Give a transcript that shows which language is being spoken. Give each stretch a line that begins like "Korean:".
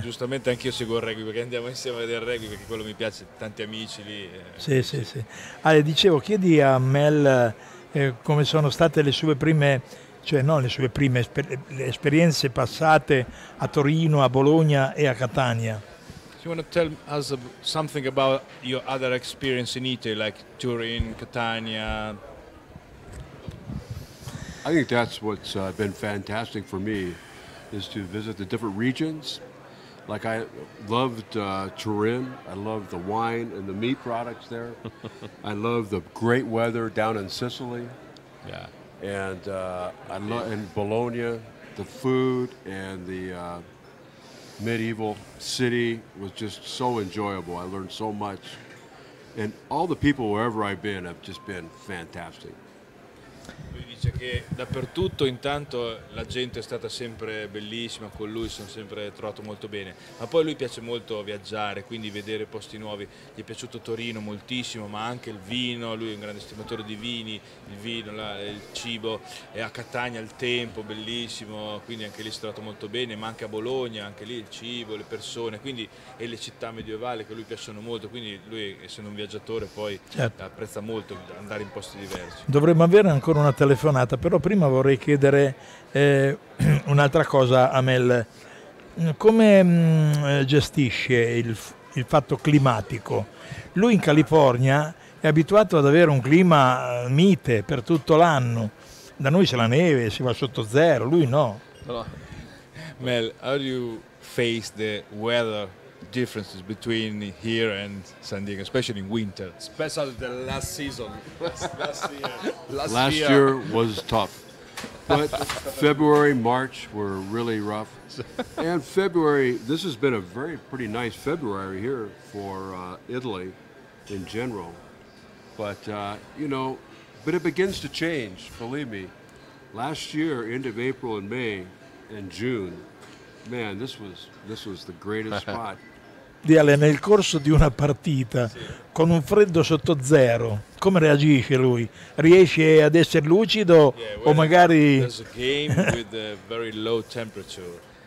Italian: Giustamente anch'io seguo il rugby, perché andiamo insieme a vedere il rugby, perché quello mi piace, tanti amici lì. Sì. Ale, dicevo, chiedi a Mel come sono state le sue prime, cioè non le sue prime, le esperienze passate a Torino, a Bologna e a Catania.
English: Do you want to tell us something about your other experience in Italy, like Turin, Catania? I think that's what's been fantastic for me, is to visit the different regions. Like I loved Turin, I loved the wine and the meat products there. I love the great weather down in Sicily. Yeah. And I love in Bologna, the food and the... medieval city was just so enjoyable. I learned so much, and all the people wherever I've been have just been fantastic.
Italian: Lui dice che dappertutto intanto la gente è stata sempre bellissima con lui, sono sempre trovato molto bene, ma poi lui piace molto viaggiare, quindi vedere posti nuovi. Gli è piaciuto Torino moltissimo, ma anche il vino, lui è un grande estimatore di vini, il vino, il cibo, e a Catania il tempo bellissimo, quindi anche lì si è trovato molto bene, ma anche a Bologna, anche lì il cibo, le persone, quindi, e le città medievali che lui piacciono molto, quindi lui, essendo un viaggiatore, poi certo, apprezza molto andare in posti diversi. Dovremmo avere ancora una telefonata, però prima vorrei chiedere un'altra cosa a Mel. Come gestisce il fatto climatico? Lui in California è abituato ad avere un clima mite per tutto l'anno. Da noi c'è la neve, si va sotto zero, lui no.
English: Mel, how do you face the weather differences between here and San Diego, especially in winter? Especially the last season. Last year was tough. But February, March were really rough. And February, this has been a very pretty nice February here for Italy in general. But, you know, but it begins to change, believe me. Last year, end of April and May and June, man, this was the greatest spot.
Italian: Di Ale, nel corso di una partita con un freddo sotto zero, come reagisce lui? Riesce ad essere lucido o magari?
English: There's a game with a very low temperature.